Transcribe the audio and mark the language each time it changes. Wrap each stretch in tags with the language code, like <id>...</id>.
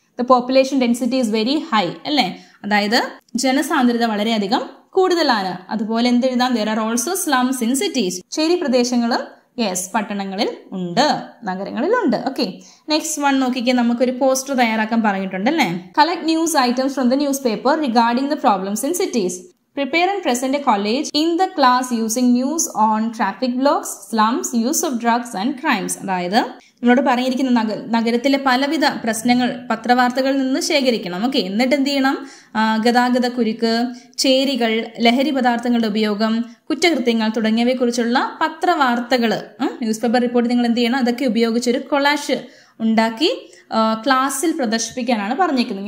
<en>the population density is very high അല്ലേ,</en> <ml>അതായത് ജനസാന്ദ്രത വളരെയധികം കൂടുതലാണ്. അതുപോലെ എന്തെഴുതാം?</ml> <en>there are also slums in cities,</en> <ml>ചേരി പ്രദേശങ്ങളും യെസ് പട്ടണങ്ങളിൽ ഉണ്ട്, നഗരങ്ങളിൽ ഉണ്ട്. ഓക്കെ, നെക്സ്റ്റ് വൺ നോക്കിക്കാൻ, നമുക്കൊരു പോസ്റ്റർ തയ്യാറാക്കാൻ പറഞ്ഞിട്ടുണ്ടല്ലേ.</ml> <en>Collect news items from the newspaper regarding the problems in cities. Prepare and present a college in the class using news on traffic blocks, slums, use of drugs and crimes.</en> <ml>അതായത് നമ്മളോട് പറഞ്ഞിരിക്കുന്ന നഗരത്തിലെ പലവിധ പ്രശ്നങ്ങൾ പത്രവാർത്തകളിൽ നിന്ന് ശേഖരിക്കണം. Okay, എന്നിട്ട് എന്ത് ചെയ്യണം? ഗതാഗത കുരുക്ക്, ചേരികൾ, ലഹരി പദാർത്ഥങ്ങളുടെ ഉപയോഗം, കുറ്റകൃത്യങ്ങൾ തുടങ്ങിയവയെക്കുറിച്ചുള്ള പത്രവാർത്തകൾ, ന്യൂസ് പേപ്പർ റിപ്പോർട്ട് നിങ്ങൾ എന്ത് ചെയ്യണം? അതൊക്കെ ഉപയോഗിച്ചൊരു കൊളാഷ് ഉണ്ടാക്കി ക്ലാസ്സിൽ പ്രദർശിപ്പിക്കാനാണ് പറഞ്ഞിരിക്കുന്നത്.</ml>